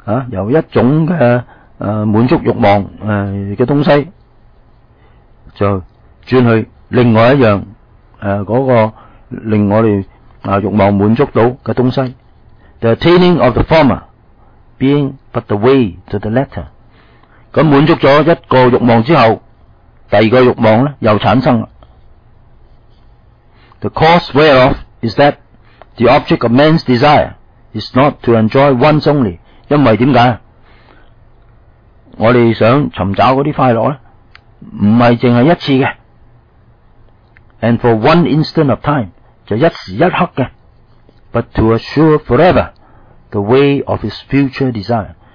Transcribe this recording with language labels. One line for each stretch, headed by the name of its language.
Cantonese: 由一种嘅满足欲望嘅东西，就转去另外一样那个令我哋欲望满足到嘅东西。
English: The attaining of the former being but the way to the latter。
Cantonese: 咁满足咗一个欲望之后，第二个欲望咧又产生了。
English: The cause whereof is that the object of man's desire is not to enjoy once only。
Cantonese: 因为点解我哋想寻找嗰啲快乐咧，唔系净系一次嘅 ， and for one instant of time 就一时一刻嘅 ， but to assure forever the way of his future desire。